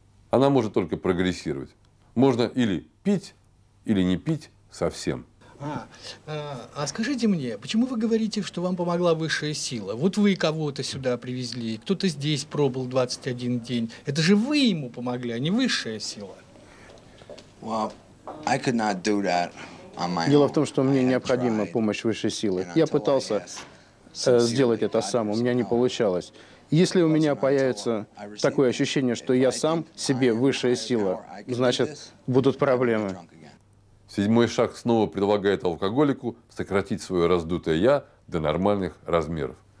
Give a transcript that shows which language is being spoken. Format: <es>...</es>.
<ru>Она может только прогрессировать. Можно или пить, или не пить совсем. А скажите мне, почему вы говорите, что вам помогла высшая сила? Вот вы кого-то сюда привезли, кто-то здесь пробыл 21 день. Это же вы ему помогли, а не высшая сила.</ru> <en>Well, I could not do that on my own.</en> <ru>Дело в том, что мне необходима помощь высшей силы. Я пытался сделать это сам, у меня не получалось. Если у меня появится такое ощущение, что я сам себе высшая сила, значит, будут проблемы. Седьмой шаг снова предлагает алкоголику сократить свое раздутое «я» до нормальных размеров.</ru>